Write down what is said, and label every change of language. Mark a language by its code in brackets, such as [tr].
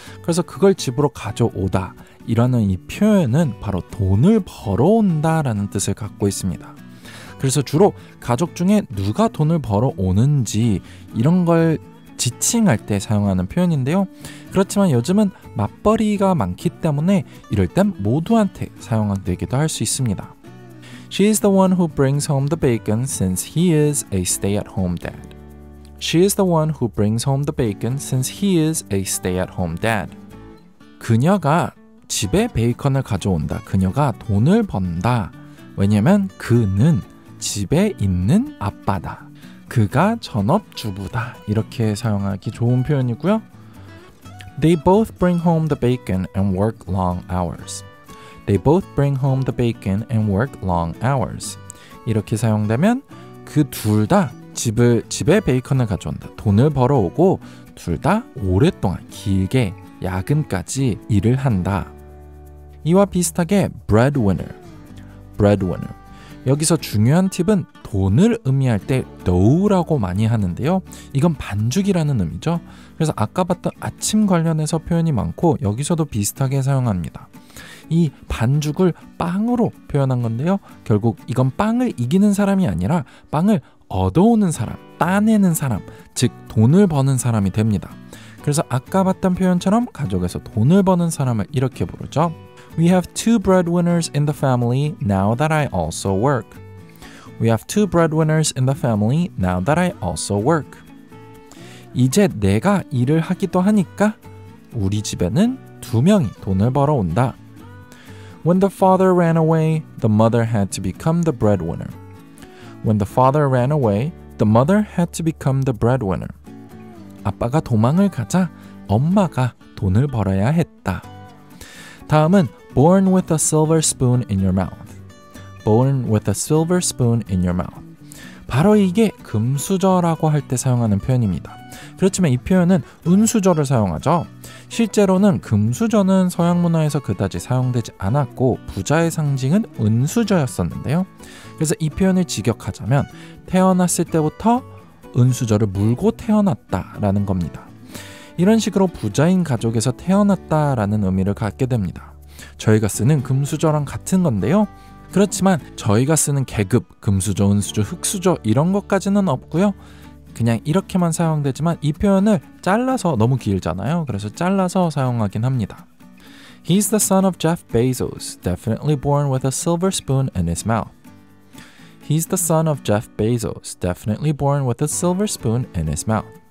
[ko] 그래서 그걸 집으로 가져오다 이라는 이 표현은 바로 돈을 벌어온다 라는 뜻을 갖고 있습니다. 그래서 주로 가족 중에 누가 돈을 벌어오는지 이런 걸 지칭할 때 사용하는 표현인데요. 그렇지만 요즘은 맞벌이가 많기 때문에 이럴 땐 모두한테 사용되기도 할 수 있습니다. [en] She is the one who brings home the bacon since he is a stay-at-home dad. She is the one who brings home the bacon since he is a stay-at-home dad. [ko] 그녀가 집에 베이컨을 가져온다. 그녀가 돈을 번다. 왜냐면 그는 집에 있는 아빠다. 그가 전업주부다. 이렇게 사용하기 좋은 표현이고요. [en] They both bring home the bacon and work long hours. They both bring home the bacon and work long hours. [ko] 이렇게 사용되면 그 둘 다 집에 베이컨을 가져온다. 돈을 벌어오고 둘 다 오랫동안 길게 야근까지 일을 한다. 이와 비슷하게 breadwinner. Breadwinner. 여기서 중요한 팁은 돈을 의미할 때 dough라고 많이 하는데요. 이건 반죽이라는 의미죠. 그래서 아까 봤던 아침 관련해서 표현이 많고 여기서도 비슷하게 사용합니다. 이 반죽을 빵으로 표현한 건데요. 결국 이건 빵을 이기는 사람이 아니라 빵을 얻어오는 사람, 따내는 사람, 즉 돈을 버는 사람이 됩니다. 그래서 아까 봤던 표현처럼 가족에서 돈을 버는 사람을 이렇게 부르죠. [en] We have two breadwinners in the family now that I also work. We have two breadwinners in the family now that I also work. [ko] 이제 내가 일을 하기도 하니까 우리 집에는 두 명이 돈을 벌어온다. [en] When the father ran away, the mother had to become the breadwinner. When the father ran away, the mother had to become the breadwinner. [ko] 아빠가 도망을 가자 엄마가 돈을 벌어야 했다. 다음은 [en] born with a silver spoon in your mouth. Born with a silver spoon in your mouth. [ko] 바로 이게 금수저라고 할 때 사용하는 표현입니다. 그렇지만 이 표현은 은수저를 사용하죠. 실제로는 금수저는 서양 문화에서 그다지 사용되지 않았고 부자의 상징은 은수저였었는데요. 그래서 이 표현을 직역하자면 태어났을 때부터 은수저를 물고 태어났다라는 겁니다. 이런 식으로 부자인 가족에서 태어났다라는 의미를 갖게 됩니다. 저희가 쓰는 금수저랑 같은 건데요. 그렇지만 저희가 쓰는 계급, 금수저, 은수저, 흙수저 이런 것까지는 없고요. 그냥 이렇게만 사용되지만 이 표현을 잘라서 너무 길잖아요. 그래서 잘라서 사용하긴 합니다. [en] He's the son of Jeff Bezos, definitely born with a silver spoon in his mouth. He's the son of Jeff Bezos, definitely born with a silver spoon in his mouth.